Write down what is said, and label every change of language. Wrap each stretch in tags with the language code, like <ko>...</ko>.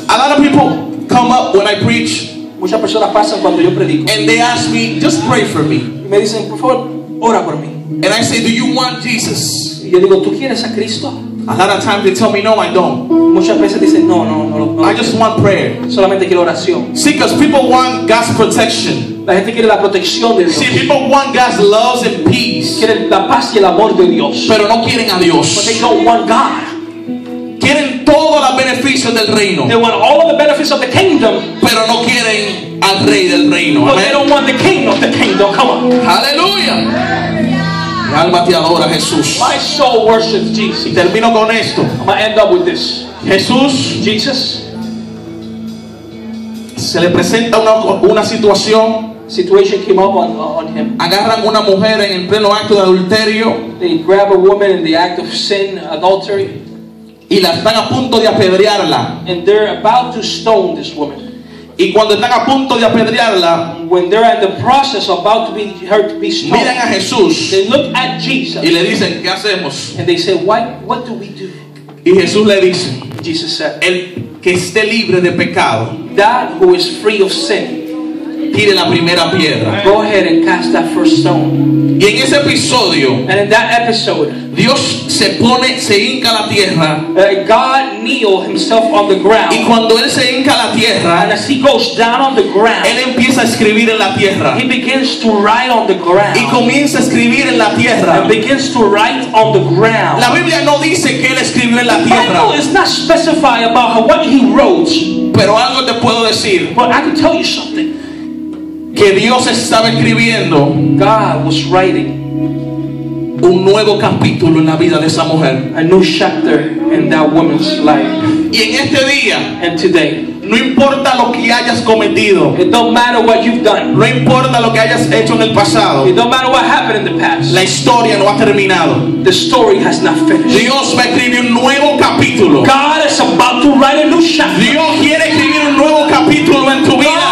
<en>A lot of people come up when I preach.</en> <es>Muchas personas pasan cuando yo predico.</es> <en>And they ask me, just pray for me.</en> <es>Y me dicen, por favor, ora por mí.</es> <en>And I say, do you want Jesus?</en> <es>Y yo digo, ¿tú quieres a Cristo?</es> <en>A lot of times they tell me, no, I don't.</en> <es>Muchas veces dicen, no, no, no, no.</es> <en>I just want prayer.</en> <es>Solamente quiero oración.</es> <en>See, because people want God's protection.</en> <es>La gente quiere la protección de Dios.</es> <en>See, people want God's love and peace.</en> <es>Quieren la paz y el amor de Dios. Pero no quieren a Dios.</es> <en>But they don't want God.</en> <es>Quieren todos los beneficios del reino.</es> <en>They want all of the benefits of the kingdom.</en> <es>Pero no quieren al rey del reino.</es> <en>But they don't want the king of the kingdom. Come on.</en> <es>Hallelujah. Mi alma te adora, Jesús.</es> <en>My soul worships Jesus.</en> <es>Y termino con esto.</es> <en>I'm gonna end up with this.</en> <es>Jesús.</es> <en>Jesus.</en> <es>Se le presenta una situación.</es> <en>Situation came up on him.</en> <es>Agarran una mujer en el pleno acto de adulterio.</es> <en>They grab a woman in the act of sin, adultery.</en> <es>Y la están a punto de apedrearla.</es> <en>And they're about to stone this woman.</en> <es>Y cuando están a punto de apedrearla,</es> <en>when they're at the process about to be hurt to be stoned,</en> <es>miran a Jesús.</es> <en>They look at Jesus.</en> <es>Y le dicen, ¿qué hacemos?</es> <en>And they say, what do we do?</en> <es>Y Jesús le dice,</es> <en>Jesus said,</en> <es>el que esté libre de pecado,</es> <en>that who is free of sin,</en> <es>tire la primera piedra.</es> <en>Go ahead and cast that first stone.</en> <es>Y en ese episodio,</es> <en>and in that episode,</en> <es>Dios se pone, se hinca la tierra.</es> <en>God kneel himself on the ground.</en> <es>Y cuando él se hinca la tierra,</es> <en>and as he goes down on the ground,</en> <es>él empieza a escribir en la tierra.</es> <en>He begins to write on the ground.</en> <es>Y comienza a escribir en la tierra.</es> <en>And begins to write on the ground.</en> <es>La Biblia no dice que él escribió en la tierra.</es> <en>The Bible is not specified about what he wrote.</en> <es>Pero algo te puedo decir.</es> <en>But I can tell you something.</en> <es>Que Dios estaba escribiendo,</es> <en>God was writing,</en> <es>un nuevo capítulo en la vida de esa mujer,</es> <en>a new chapter in that woman's life.</en> <es>Y en este día,</es> <en>and today,</en> <es>no importa lo que hayas cometido,</es> <en>it don't matter what you've done,</en> <es>no importa lo que hayas hecho en el pasado,</es> <en>it don't matter what happened in the past,</en> <es>la historia no ha terminado,</es> <en>the story has not finished.</en> <es>Dios va a escribir un nuevo capítulo.</es> <en>God is about to write a new chapter.</en> <es>Dios quiere escribir un nuevo capítulo en tu vida.</es>